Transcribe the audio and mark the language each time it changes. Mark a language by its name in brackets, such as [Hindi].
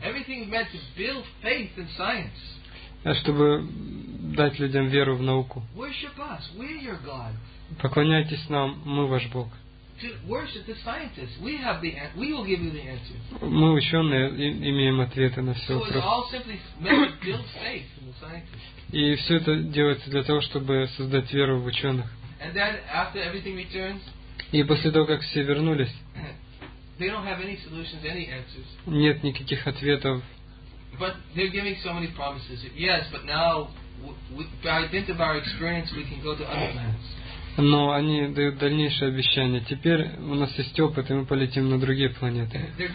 [English] Everything meant to build faith in science. [Russian] Чтобы дать людям веру в науку. [English] Worship us, we're your God. [Russian] Поклоняйтесь нам, мы ваш Бог. [English] Worship the scientists. We have the answer. We will give you the answer. [Russian] Мы ученые имеем ответы на все вопросы. [English] So it's all simply meant to build faith in the scientists. [Russian] И все это делается для того, чтобы создать веру в ученых. [English] And then after everything returns. [Russian] И после того, как все вернулись. [English] They don't have any solutions, any answers. [Russian] Нет никаких ответов. [English] But they're giving so many promises. Yes, but now by dint of our experience, we can go to other planets. [Russian] Но они дают дальнейшие обещания. Теперь у нас есть опыт, и мы полетим на другие планеты.